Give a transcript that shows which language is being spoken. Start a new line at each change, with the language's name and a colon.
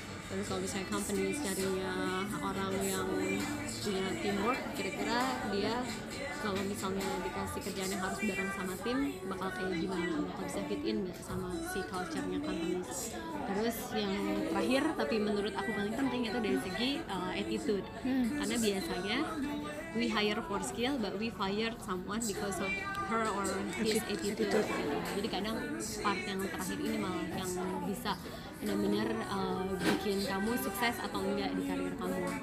Indonesian: Terus kalau misalnya company carinya orang yang punya teamwork, kira-kira dia kalau misalnya dikasih kerjaannya harus bareng sama tim, bakal kayak gimana? Bakal bisa fit in gak sama si culture-nya company? Terus yang terakhir, tapi menurut aku paling penting itu dari segi attitude. Karena biasanya
English: we hire for skill, but we fire someone because of her or his attitude.
Indonesian: Jadi kadang part yang terakhir ini malah yang bisa benar-benar bikin kamu sukses atau enggak di karir kamu.